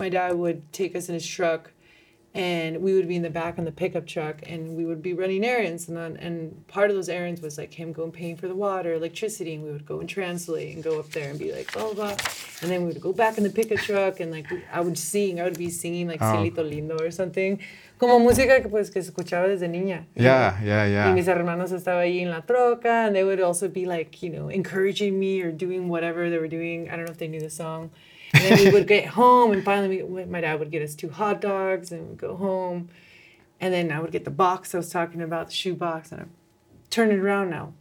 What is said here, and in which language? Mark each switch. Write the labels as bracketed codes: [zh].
[en] My dad would take us in his truck and we would be in the back on the pickup truck and we would be running errands. And part of those errands was like him going paying for the water, electricity. And we would go and translate and go up there and be like, blah, blah, blah. And then we would go back in the pickup truck and like I would be singing like Cielito Lindo or something. [es] Como música que pues que escuchaba desde niña. [en] Yeah. [es] Y mis hermanos estaba ahí en la troca [en] and they would also be like, you know, encouraging me or doing whatever they were doing. I don't know if they knew the song. And then we would get home, and finally my dad would get us two hot dogs, and we'd go home. And then I would get the box I was talking about, the shoe box, and I'm turning around now.